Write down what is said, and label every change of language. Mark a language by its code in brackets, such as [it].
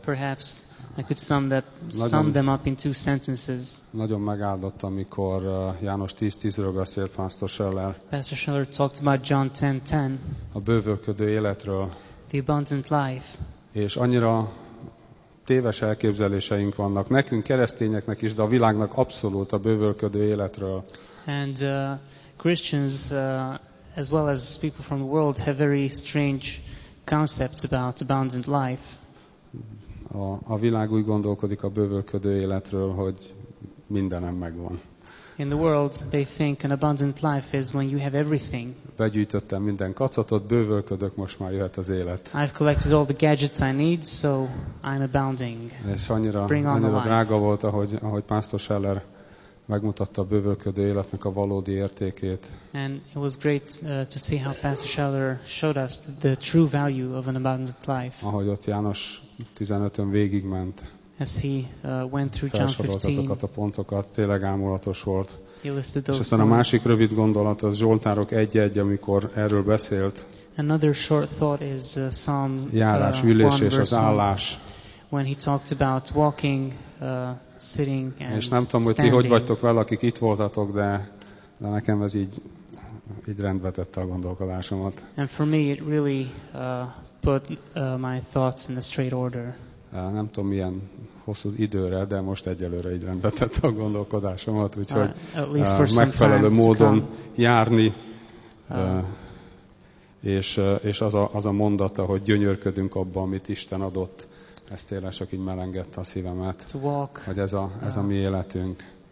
[en] Perhaps I could sum them up in two sentences. [hu] Nagyon megáldott, amikor János 10:10-ről beszélt Pastor Scheller. [en] Pastor Scheller talked about John 10:10. [hu] A bővölködő életről. [en] The abundant life. [hu] És annyira téves elképzeléseink vannak nekünk keresztényeknek is, de a világnak abszolút a bővölködő életről. [en] And Christians as well as people from the world have very strange concepts about abundant life. [hu] A világ úgy gondolkodik a bővölködő életről, hogy mindenem megvan. [en] In the world they think an abundant life is when you have everything. [hu] Begyűjtöttem minden kacatot, bővölködök, most már jöhet az élet. [en] I've collected all the gadgets I need, so I'm abounding. [hu] És annyira drága volt, ahogy Pastor Scheller megmutatta a bővölködő életnek a valódi értékét. [en] And it was great to see how Pastor Scheller showed us the true value of an abundant life. [hu] Ahogy ott János 15-ön végigment. [en] As he went through John 15. [hu] Felsorolt azokat a pontokat, tényleg ámulatos volt. [en] He listed those. [hu] És aztán a másik rövid gondolat, az Zsoltárok 1:1, amikor erről beszélt. [en] Another short thought is Psalm 1:1. [hu] Járás, ülés és az állás. [en] When he talked about walking, sitting and standing. [hu] És nem tudom, hogy ti hogy vagytok vele, akik itt voltatok, de nekem ez így rendbe tette a gondolkodásomat. [en] And for me it really put my thoughts in a straight order. [hu] Nem tudom, milyen hosszú időre, de most egyelőre így rendbe tette a gondolkodásomat, úgyhogy megfelelő módon járni. És az a mondata, hogy gyönyörködünk abban, amit Isten adott, ez tényleg csak így melengedte a szívemet, hogy ez a mi életünk.